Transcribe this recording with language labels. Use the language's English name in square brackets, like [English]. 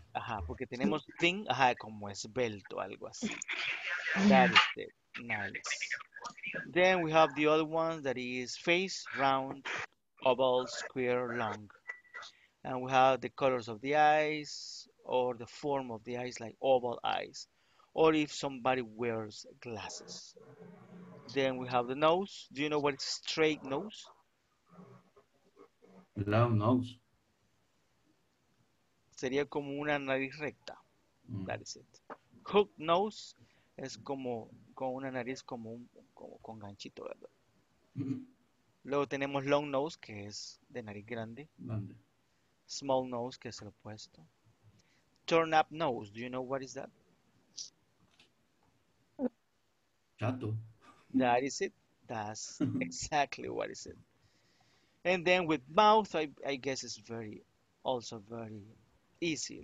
[Spanish] Ajá, porque tenemos thin, ajá, como esbelto, algo así. [English] That is it. Nice. Then we have the other one that is face, round, oval, square, long. And we have the colors of the eyes or the form of the eyes, like oval eyes. Or if somebody wears glasses. Then we have the nose. Do you know what is straight nose? Long nose. [Spanish] Sería como una nariz recta. [English] That is it. [Spanish] Hooked nose es como con una nariz como un, como con ganchito, ¿verdad? Luego tenemos long nose, que es de nariz grande. Grande. Small nose, que es el opuesto. [English] Turn up nose, do you know what is that? [Spanish] Chato. [English] That is it. That's exactly what is it. And then with mouth, I guess it's very, also very easy.